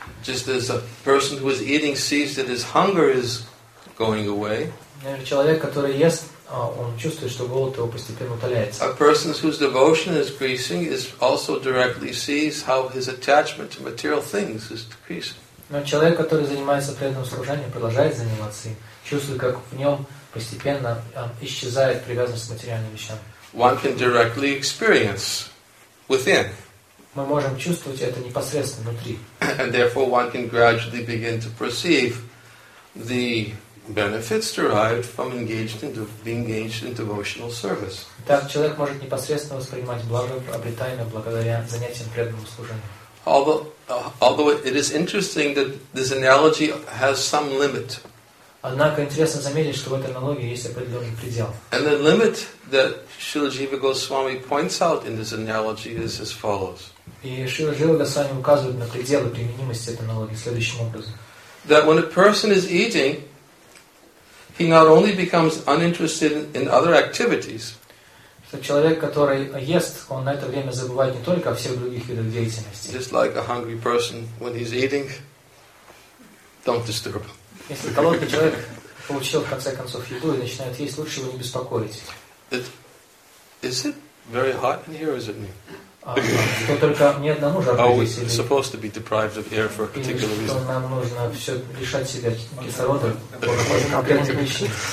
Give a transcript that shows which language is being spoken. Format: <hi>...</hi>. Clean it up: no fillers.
<en>Just as a person who is eating sees that his hunger is going away.</en> <ru>Человек, который ест, он чувствует, что голод его постепенно утоляется.</ru> <en>A person whose devotion is increasing is also directly sees how his attachment to material things is decreasing.</en> <ru>Но человек, который занимается преданным служением, продолжает заниматься, чувствует, как в нем постепенно исчезает привязанность к материальным вещам.</ru> <en>One can directly experience within.</en> <ru>Мы можем чувствовать это непосредственно внутри.</ru> <en>And therefore one can gradually begin to perceive the benefits derived from being engaged in devotional service.</en> <ru>Так человек может непосредственно воспринимать благо, обретаемое благодаря занятиям преданного служения.</ru> <en>Although it is interesting that this analogy has some limit.</en> <ru>Однако интересно заметить, что в этой аналогии есть определенный предел.</ru> <en>And the limit that Śrīla Jīva Gosvāmī points out in this analogy is as follows.</en> <ru>И Śrīla Jīva Gosvāmī указывает на пределы применимости этой аналогии следующим образом.</ru> <en>That when a person is eating, he not only becomes uninterested in other activities.</en> <ru>Что человек, который ест, он на это время забывает не только о всех других видах деятельности.</ru> <en>Just like a hungry person when he's eating, don't disturb him.</en> <ru>Если голодный человек получил в конце концов еду и начинает есть, лучше его не беспокоить.</ru> <en>Is it very hot in here, or is it me?</en> <ru>что только не одному же определить.</ru> <en>Are we supposed to be deprived of air for a particular reason?</en> <ru>Или что нам нужно все лишать себя кислорода по определенной причине?</ru>